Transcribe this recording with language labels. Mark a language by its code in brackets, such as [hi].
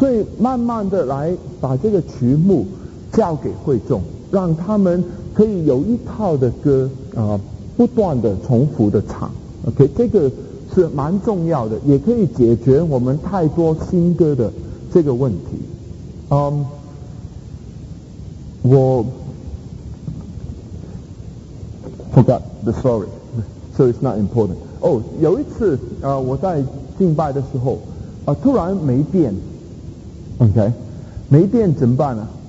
[zh] 所以慢慢的来把这个曲目交给会众，让他们可以有一套的歌不断的重复的唱。 OK， 这个是蛮重要的，也可以解决我们太多新歌的这个问题。我。 [en] Forgot the story, so it's not important. [zh] 有一次我在敬拜的时候突然没电 ，OK， 没电怎么办呢？